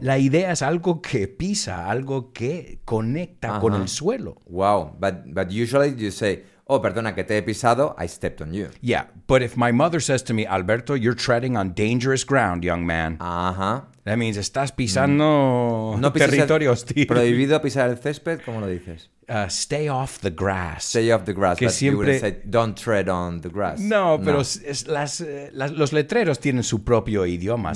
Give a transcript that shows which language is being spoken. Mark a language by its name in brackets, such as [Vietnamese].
[Spanish] La idea es algo que pisa, algo que conecta uh-huh. con el suelo. [English] Wow, but usually you say, [Spanish] oh, perdona que te he pisado, [English] I stepped on you. Yeah, but if my mother says to me, Alberto, you're treading on dangerous ground, young man. Ajá. Uh-huh. That means [Spanish] estás pisando no territorio hostil. Prohibido pisar el césped, ¿cómo lo dices? [English] Stay off the grass. Stay off the grass. [Spanish] Que [English] but [Spanish] siempre... [English] you would say, don't tread on the grass. [Spanish] No, pero los letreros tienen su propio idioma.